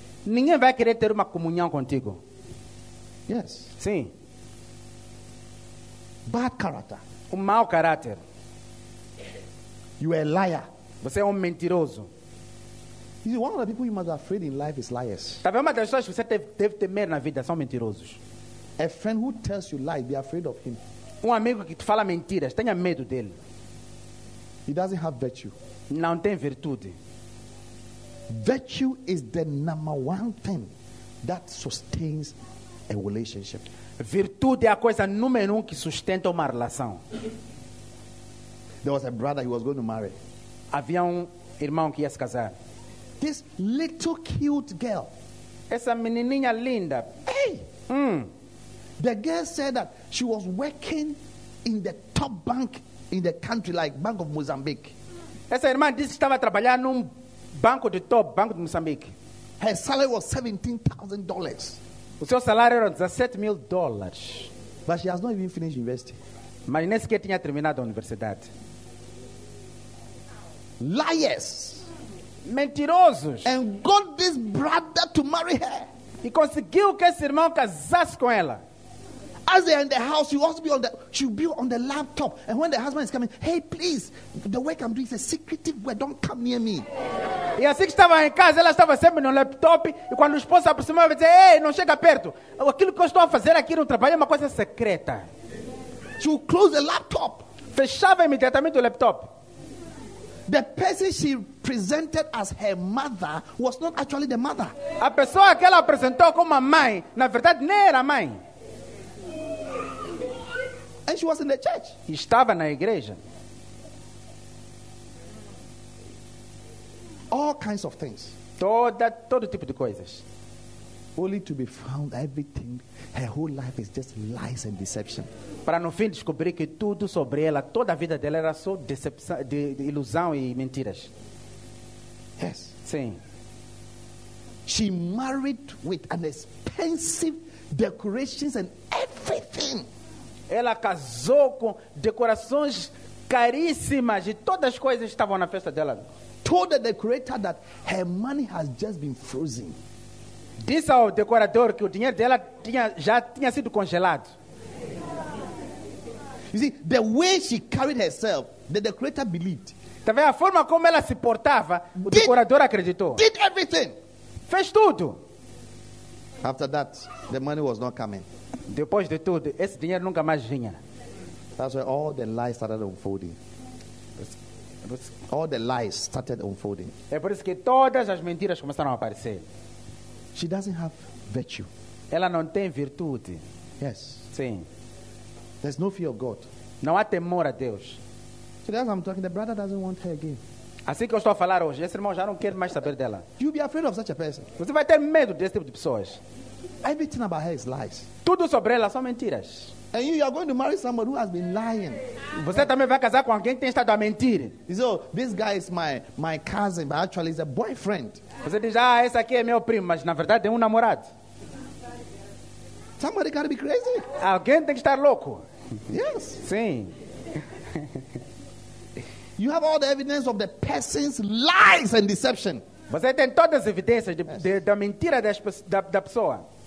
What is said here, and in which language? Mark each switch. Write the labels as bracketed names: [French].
[Portuguese] Ninguém vai querer ter uma comunhão contigo. [English] Yes. [Portuguese] Sim. [English] Bad character. [Portuguese] Mau caráter. [English] You are a liar. [Portuguese] Você é mentiroso. [English] You see, one of the people you must be afraid in life is liars. [Portuguese] Tá vendo uma das pessoas que você deve temer na vida são mentirosos. [English] A friend who tells you lies, be afraid of him. [Portuguese] Amigo que te fala mentiras, tenha medo dele. [English] He doesn't have virtue. [Portuguese] Não tem virtude. [English] Virtue is the number one thing that sustains a relationship. [Portuguese] Virtude é a coisa número um que sustenta uma relação. [English] There was a brother he was going to marry. [Portuguese] Havia irmão que ia se casar. [English] This little cute girl. [Portuguese] Essa menininha linda. [English] Hey! Mm. The girl said that she was working in the top bank in the country, like Bank of Mozambique. [Portuguese] Essa irmã disse que estava trabalhando num banco de top, Banco de Moçambique. [English] Her salary was $17,000. [Portuguese] O seu salário era $17,000. [English] But she has not even finished university. [Portuguese] Mas nem sequer tinha terminado a universidade. [English] Liars. [Portuguese] Mentirosos. [English] And got this brother to marry her. [Portuguese] E conseguiu que esse irmão casasse com ela. [English] As they are in the house, she'll be on the laptop. And when the husband is coming, hey, please, the work I'm doing is a secretive work. Don't come near me. [Portuguese] E assim que estava em casa, ela estava sempre no laptop. E quando o esposo aproximava, ela dizia, hey, não chega perto. Aquilo que eu estou a fazer aqui no trabalho é uma coisa secreta. [English] She'll close the laptop. [Portuguese] Fechava imediatamente o laptop. [English] The person she presented as her mother was not actually the mother. [Portuguese] A pessoa que ela apresentou como a mãe, na verdade, não era a mãe. [English] And she was in the church. [Portuguese] Estava na igreja. [English] All kinds of things. [Portuguese] Todo tipo de coisas. [English] Only to be found everything, her whole life is just lies and deception. [Portuguese] Para no fim descobrir que tudo sobre ela, toda a vida dela era só decepção, de ilusão e mentiras. [English] Yes. [Portuguese] Sim. [English] She married with an expensive decorations and everything. [Portuguese] Ela casou com decorações caríssimas e todas as coisas estavam na festa dela. [English] Told the decorator that her money has just been frozen. [Portuguese] Disse ao decorador que o dinheiro dela já tinha sido congelado. [English] You see, the way she carried herself, that the creator believed. [Portuguese] Tá vendo a forma como ela se portava, o decorador acreditou. [English] Did everything. [Portuguese] Fez tudo. [English] After that, the money was not coming. [Portuguese] Depois de tudo, esse dinheiro nunca mais vinha. [English] That's where all the lies started unfolding. All the lies started unfolding. [Portuguese] É por isso que todas as mentiras começaram a aparecer. [English] She doesn't have virtue. [Portuguese] Ela não tem virtude. [English] Yes. [Portuguese] Sim. [English] There's no fear of God. [Portuguese] Não há temor a Deus. [English] So that's what I'm talking. The brother doesn't want her again. [Portuguese] Assim que eu estou a falar hoje, esse irmão já não quer mais saber dela. [English] You'll be afraid of such a person. [Portuguese] Você vai ter medo desse tipo de pessoas. [English] Everything about her is lies. [Portuguese] Tudo sobre ela são mentiras. [English] And you are going to marry someone who has been lying. [Portuguese] Você também vai casar com alguém que tem estado a mentir. [English] So, this guy is my cousin, but actually he's a boyfriend. [Portuguese] Você diz, ah, esse aqui é meu primo, mas na verdade é namorado. [English] Somebody gotta be crazy. [Portuguese] Alguém tem que estar louco. [English] Yes. [Portuguese] Sim. [English] You have all the evidence of the person's lies and deception. [Portuguese] Você tem todas as evidências da mentira da pessoa.